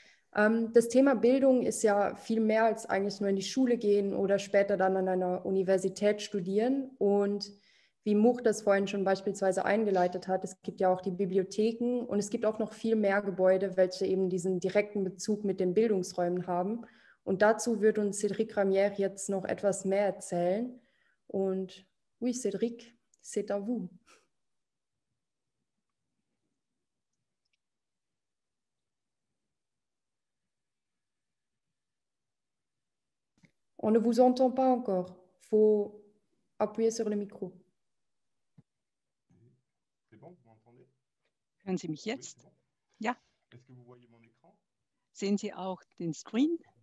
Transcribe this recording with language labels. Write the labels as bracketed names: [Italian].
[German] Das Thema Bildung ist ja viel mehr als eigentlich nur in die Schule gehen oder später dann an einer Universität studieren. Und wie Much das vorhin schon beispielsweise eingeleitet hat, es gibt ja auch die Bibliotheken und es gibt auch noch viel mehr Gebäude, welche eben diesen direkten Bezug mit den Bildungsräumen haben. Und dazu wird uns Cédric Ramière jetzt noch etwas mehr erzählen. [French] Und oui, Cédric, c'est à vous. On ne vous entend pas encore. Faut appuyer sur le micro. C'est bon, vous m'entendez? [German] Hören Sie mich jetzt? [French] Oui, bon. [German] Ja. [French] Est-ce que vous voyez mon écran? [German] Sehen Sie auch den Screen?